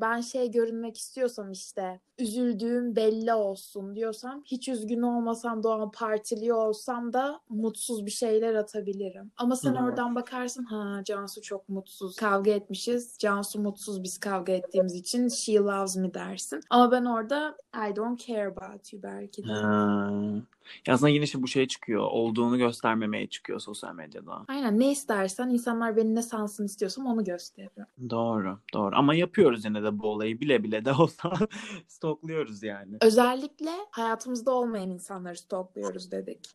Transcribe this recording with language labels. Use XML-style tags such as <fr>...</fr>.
<tr>Ben şey görünmek istiyorsam, işte üzüldüğüm belli olsun diyorsam, hiç üzgün olmasam da partili olsam da mutsuz bir şeyler atabilirim. Ama sen oradan bakarsın, ha Cansu çok mutsuz, kavga etmişiz. Cansu mutsuz biz kavga ettiğimiz için,</tr> <en>she loves me</en> <tr>dersin. Ama ben orada</tr> <en>I don't care about you</en> <tr>belki de. Ya aslında yine işte bu şey çıkıyor. Olduğunu göstermemeye çıkıyor sosyal medyada. Aynen, ne istersen, insanlar beni ne sansın istiyorsam onu gösteriyor. Doğru, doğru. Ama yapıyoruz yine de bu olayı, bile bile de olsa stalkluyoruz yani. Özellikle hayatımızda olmayan insanları stalkluyoruz dedik.</tr>